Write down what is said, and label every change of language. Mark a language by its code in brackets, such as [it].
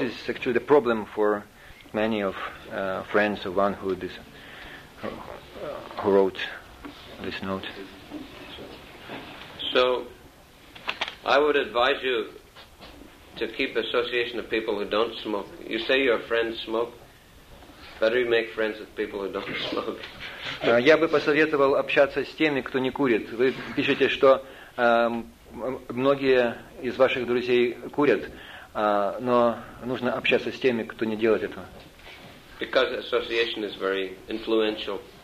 [en] this is actually the problem for many of friends of one who this who wrote this note. So I would advise you to keep association of people who don't smoke. You say your friends smoke. Better you make friends with people who don't smoke. [ru] Я бы посоветовал общаться с теми, кто не курит. Вы пишете, что многие из ваших друзей курят, но нужно общаться с теми, кто не делает этого. [en] Because association is very influential.